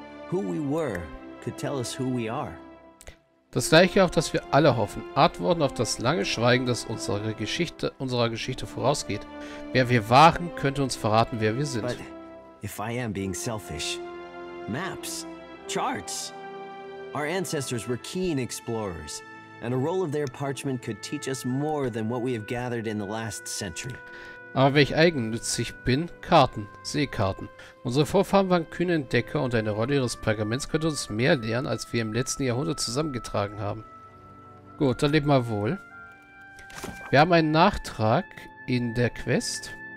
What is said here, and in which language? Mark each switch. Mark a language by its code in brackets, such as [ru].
[en] Who we were could tell us who we are. [de] Das gleiche, auf das wir alle hoffen. Antworten auf das lange Schweigen, das unserer Geschichte vorausgeht. Wer wir waren, könnte uns verraten, wer wir sind. [en] But if I am being selfish, maps, charts. Our ancestors were keen explorers. And a roll of their parchment could teach us more than what we have gathered in the last century. [de] Aber wenn ich eigennützig bin, Karten, Seekarten. Unsere Vorfahren waren kühne Entdecker und eine Rolle ihres Pergaments könnte uns mehr lehren, als wir im letzten Jahrhundert zusammengetragen haben. Gut, dann leben wir wohl. Wir haben einen Nachtrag in der Quest.